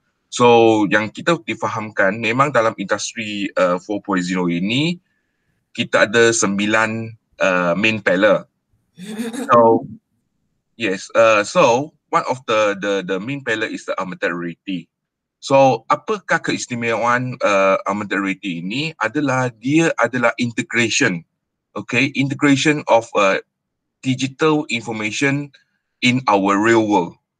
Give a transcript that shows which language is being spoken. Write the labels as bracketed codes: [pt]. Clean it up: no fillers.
[ms] So yang kita difahamkan memang dalam industri 4.0 ini kita ada 9 main pillar. [en] So yes, so one of the main pillar is the augmented reality. [ms] So apakah keistimewaan augmented reality ini adalah dia adalah integration. [en] Okay, integration of digital information in our real world.